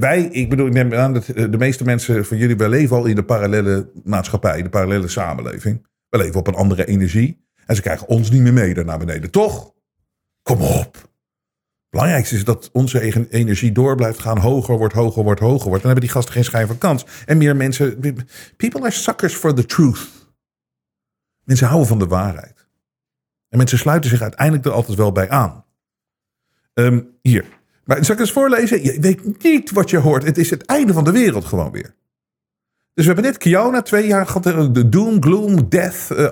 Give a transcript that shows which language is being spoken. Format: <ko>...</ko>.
<nl>Wij, ik bedoel, ik neem aan dat de meeste mensen van jullie. Wij leven al in de parallele maatschappij. De parallele samenleving. We leven op een andere energie. En ze krijgen ons niet meer mee daar naar beneden. Toch? Kom op. Het belangrijkste is dat onze eigen energie door blijft gaan. Hoger wordt. Dan hebben die gasten geen schijn van kans. En meer mensen.</nl> <en>People are suckers for the truth.</en> <nl>Mensen houden van de waarheid. En mensen sluiten zich uiteindelijk er altijd wel bij aan. Hier. Maar zal ik eens voorlezen? Je weet niet wat je hoort. Het is het einde van de wereld gewoon weer. Dus we hebben net Kiona 2 jaar gehad. De</nl> <en>doom, gloom, death.</en>